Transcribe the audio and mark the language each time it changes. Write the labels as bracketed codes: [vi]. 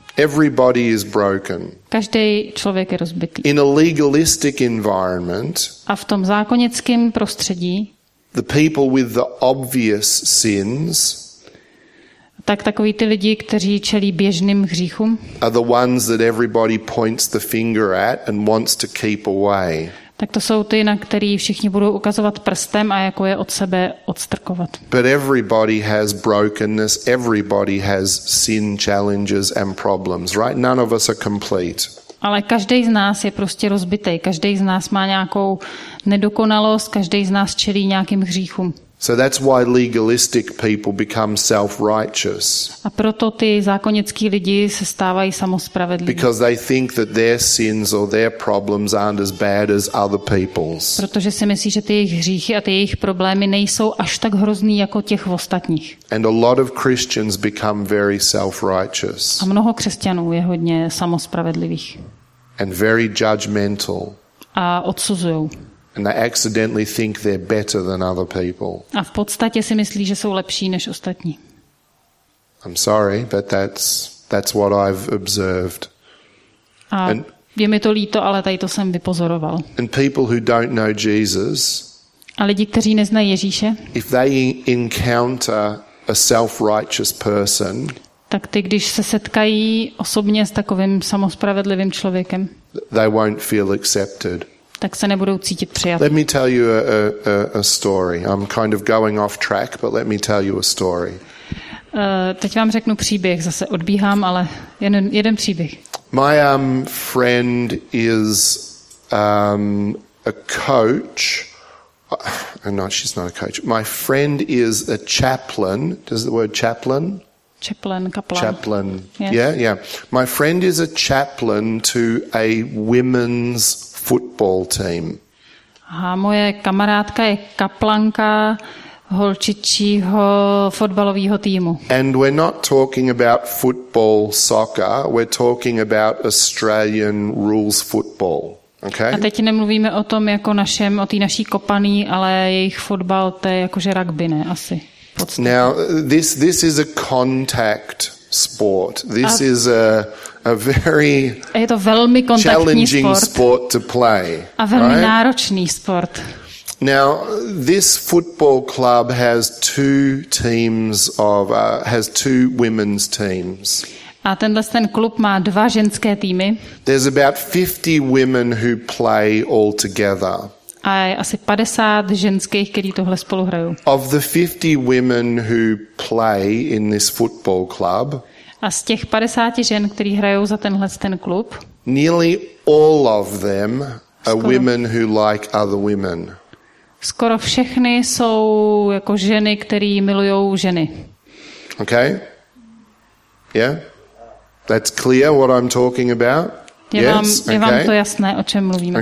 [en] Everybody is broken. [cs] Každej člověk je rozbitý. [en] In a legalistic environment. [cs] A v tom zákonickém prostředí. [en] The people with the obvious sins. [cs] Tak takový ty lidi, kteří čelí běžným hříchům. [en] Are the ones that everybody points the finger at and wants to keep away. [cs] Tak to jsou ty, na který všichni budou ukazovat prstem a jako je od sebe odstrkovat. [en] But everybody has brokenness, everybody has sin challenges and problems, right? None of us are complete. [cs] Ale každý z nás je prostě rozbitý, každý z nás má nějakou nedokonalost, každý z nás čelí nějakým hříchům. [en] So that's why legalistic people become self-righteous. [cs] A proto ty zákonnický lidi se stávají samospravedliví. [en] Because they think that their sins or their problems aren't as bad as other people's. [cs] Protože si myslí, že ty jejich hříchy a ty jejich problémy nejsou až tak hrozný jako těch ostatních. [en] And a lot of Christians become very self-righteous. [cs] A mnoho křesťanů je hodně samospravedlivých. [en] And very judgmental. [cs] A odsuzují. [en] And they accidentally think they're better than other people. [cs] A v podstatě si myslí, že jsou lepší než ostatní. [en] I'm sorry, but that's what I've observed. [cs] A je mi to líto, ale tady to jsem vypozoroval. [en] And people who don't know Jesus. [cs] A lidi, kteří neznají Ježíše. [en] If they encounter a self-righteous person. [cs] Tak ty, když se setkají osobně s takovým samospravedlivým člověkem. [en] They won't feel accepted. [cs] Tak se nebudou cítit přijatí. [en] Let me tell you a story. I'm kind of going off track, but let me tell you a story. [cs] Teď vám řeknu příběh, zase odbíhám, ale jeden příběh. [en] My friend is a coach. No, she's not a coach. My friend is a chaplain. Does the word chaplain? Chaplain, kaplan. Chaplain. Yes. Yeah, yeah. My friend is a chaplain to a women's football team. [cs] A moje kamarádka je kaplanka holčičího fotbalového týmu. [en] And we're not talking about football, soccer, we're talking about Australian rules football. Okay? [cs] A teď nemluvíme o tom jako našem, o té naší kopaní, ale jejich fotbal, to je jakože rugby, ne, asi. [en] Now, this is a contact sport. This is a very [cs] je to velmi kontaktní [en] challenging sport. [cs] Sport [en] to play. [cs] A velmi [en] right? [cs] náročný sport. [en] Now, this football club has two teams of has two women's teams. [cs] A tenhle ten klub má dva ženské týmy. [en] There's about 50 women who play all together. [cs] A je asi 50 ženských, kteří tohle spolu hrajou. [en] Of the 50 women who play in this football club. [cs] A z těch 50 žen, kteří hrajou za tenhle ten klub. [en] Nearly all of them are women who like other women. [cs] Skoro všechny jsou jako ženy, které milují ženy. [en] Okay? Yeah? That's clear what I'm talking about? [cs] Je vám to jasné, o čem mluvíme?